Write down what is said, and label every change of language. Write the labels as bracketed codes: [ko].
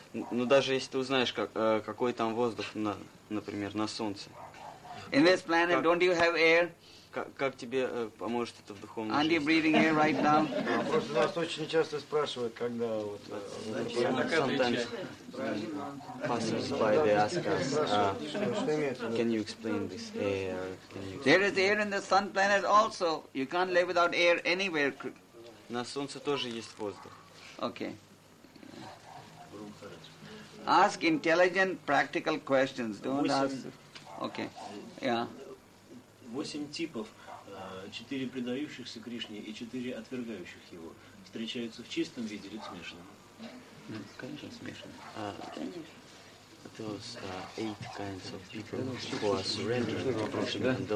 [ru] Ну даже если ты узнаешь, какой там воздух, например, на солнце. [en] In this planet, don't you have air? [ru] Как тебе поможет это в духовном жизни? [en] Aren't you breathing air right now? [ru] Просто нас очень часто спрашивают, когда вот... [en] Sometimes passers by, they ask us, can you explain this air? There is air in the sun planet also. You can't live without air anywhere. [ru] На солнце тоже есть воздух. [en] Okay. Ask intelligent, practical questions. Don't ask... Okay. Yeah. [ru] 8 типов, 4 предающихся Кришне и 4 отвергающих его, встречаются в чистом виде или в смешанном? Конечно, смешанном. Конечно. [en] tell us eight kinds of people who are surrendering to Krishna?